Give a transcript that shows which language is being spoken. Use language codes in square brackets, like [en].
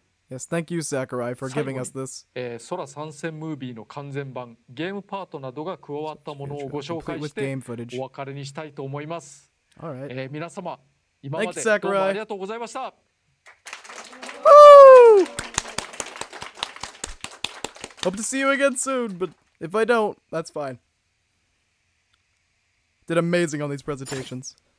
[en] Yes, thank you, Sakurai, for giving us this. [ja] SORA 参戦ムービーの完全版、ゲームパートなどが加わったものをご紹介して、お別れにしたいと思います。 [en] Thank you, Sakurai. Hope to see you again soon, but if I don't, that's fine. Did amazing on these presentations.